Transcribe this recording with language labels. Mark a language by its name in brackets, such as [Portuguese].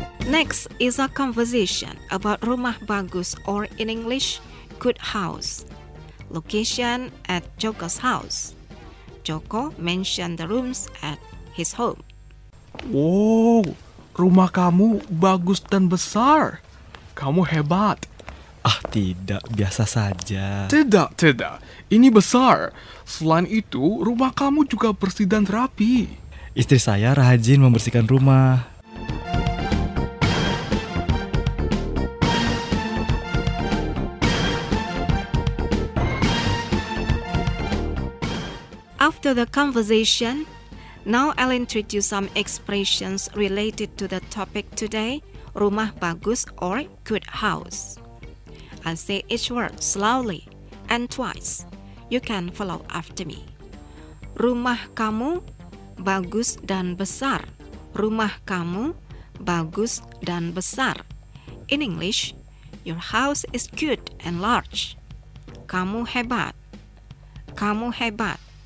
[English] Next is a conversation about Rumah Bagus, or in English, Good House. Location at Joko's house. Joko mentioned the rooms at his home. [Indonesian] Wow, rumah kamu bagus dan besar. Kamu hebat. Ah, tidak, biasa saja. Tidak, tidak. Ini besar. Selain itu, rumah kamu juga bersih dan rapi. Istri saya rajin membersihkan rumah. [English] After the conversation, now I'll introduce you some expressions related to the topic today, rumah bagus or good house. I'll say each word slowly and twice. You can follow after me. [Indonesian] Rumah kamu bagus dan besar. Rumah kamu bagus dan besar. [English] In English, your house is good and large. [Indonesian] Kamu hebat. Kamu hebat.